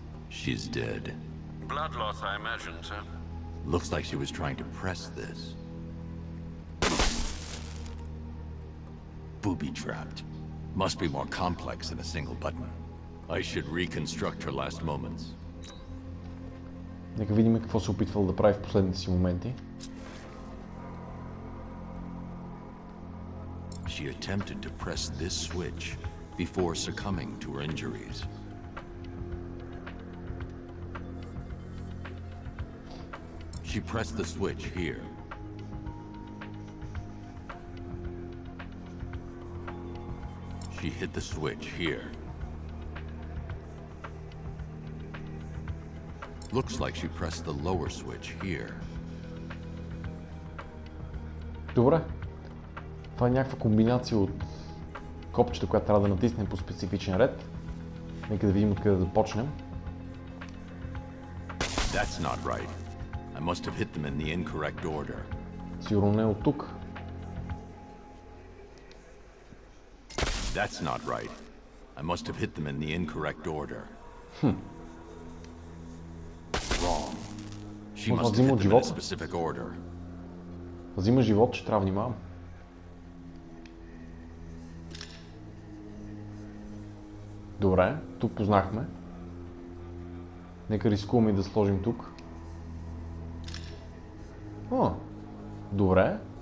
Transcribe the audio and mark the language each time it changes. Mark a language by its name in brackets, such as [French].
[English] She's dead. Blood loss, I imagine, sir. Looks like she was trying to press this. Booby-trapped. Must be more complex than a single button. I should reconstruct her last moments. [Bulgarian] Нека видим какво се опитвал да прави в последните си моменти. [English] She attempted to press this switch before succumbing to her injuries. She pressed the switch here. She hit the switch here. Looks like she pressed the lower switch here. [Bulgarian] Добре. Това е някаква комбинация от копчета, която трябва да натиснем по специфичен ред. Нека да видим откъде да почнем. [English] That's not right. I must have hit them in the incorrect order. [Bulgarian] Сигурно не от тук. [English] That's not right. I must have hit them in the incorrect order. Wrong. She must have hit them in a specific order. [Bulgarian] Взима живот, ще трябва внимавам. Добре, тук познахме. Нека рискуваме да сложим тук. О, добре.